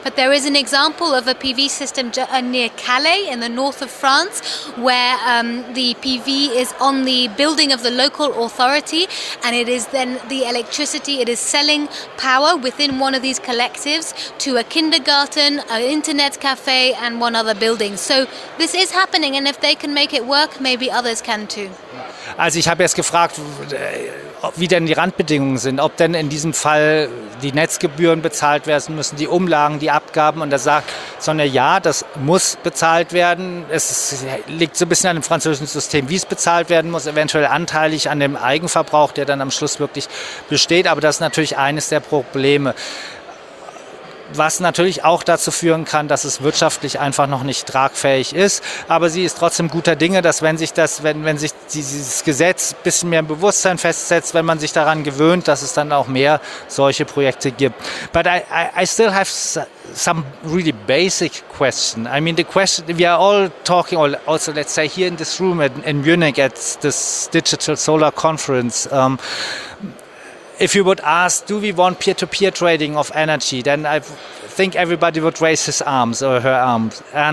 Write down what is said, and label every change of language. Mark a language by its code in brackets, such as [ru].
[en] But there is an example of a PV system near Calais in the north of France, where the PV is on the building of the local authority, and it is then the electricity, it is selling power within one of these collectives to a kindergarten, an internet cafe and one other building. So this is happening, and if they can make it work, maybe others can too. [de] Also ich habe jetzt gefragt, wie denn die Randbedingungen sind, ob denn in diesem Fall die Netzgebühren bezahlt werden müssen, die Umlagen, die Abgaben, und da sagt Sonja, ja, das muss bezahlt werden. Es liegt so ein bisschen an dem französischen System, wie es bezahlt werden muss, eventuell anteilig an dem Eigenverbrauch, der dann am Schluss wirklich besteht, aber das ist natürlich eines der Probleme. Was natürlich auch dazu führen kann, dass es wirtschaftlich einfach noch nicht tragfähig ist. Aber sie ist trotzdem guter Dinge, dass wenn sich dieses Gesetz ein bisschen mehr im Bewusstsein festsetzt, wenn man sich daran gewöhnt, dass es dann auch mehr solche Projekte gibt. [en] But I still have some really basic question. I mean, the question, we are all talking, also let's say here in this room in Munich at this Digital Solar Conference, if you would ask, do we want peer-to-peer trading of energy, then I think everybody would raise his arms or her arms.